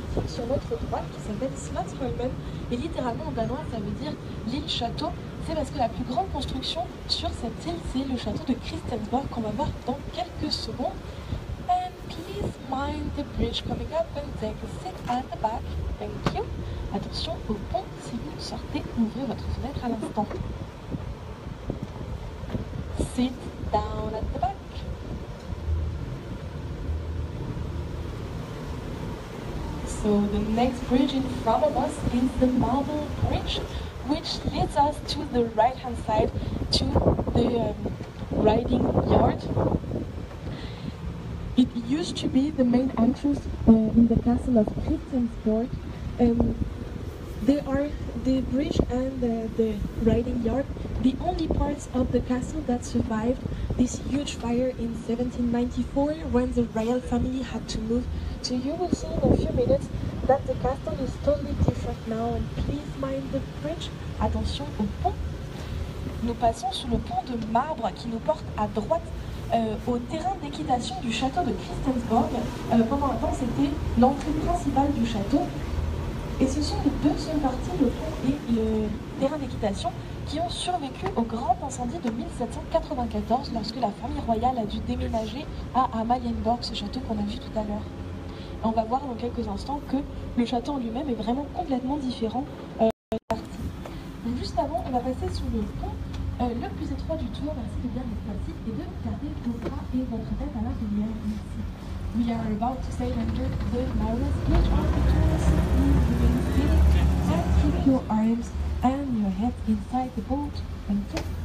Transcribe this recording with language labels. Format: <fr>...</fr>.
<fr>Sur notre droite qui s'appelle Slotsholmen, et littéralement en danois ça veut dire l'île château. C'est parce que la plus grande construction sur cette île c'est le château de Christiansborg qu'on va voir dans quelques secondes.</fr> <en>And please mind the bridge coming up and take a seat at the back. Thank you.</en> <fr>Attention au pont si vous sortez, ouvrez votre fenêtre à l'instant.</fr> <en>Sit down at the back. So the next bridge in front of us is the Marble Bridge, which leads us to the right-hand side, to the riding yard. It used to be the main entrance in the castle of Christiansborg. They are the bridge and the riding yard, the only parts of the castle that survived this huge fire in 1794 when the royal family had to move. So you will see in a few minutes that the castle is totally different now, and please mind the bridge.</en> <fr>Attention au pont. Nous passons sous le pont de marbre qui nous porte à droite au terrain d'équitation du château de Christiansborg. Pendant un temps, c'était l'entrée principale du château. Et ce sont les deux seules parties, le pont et le terrain d'équitation, qui ont survécu au grand incendie de 1794 lorsque la famille royale a dû déménager à Amalienborg, ce château qu'on a vu tout à l'heure. Et on va voir dans quelques instants que le château en lui-même est vraiment complètement différent. Juste avant, on va passer sous le pont le plus étroit du tour. Merci de bien être assis et de garder vos bras et votre tête à la lumière ici.</fr> <en>We are about to sail under the marvelous bridge of the tour. And keep your arms and your head inside the boat. Thank you.</en>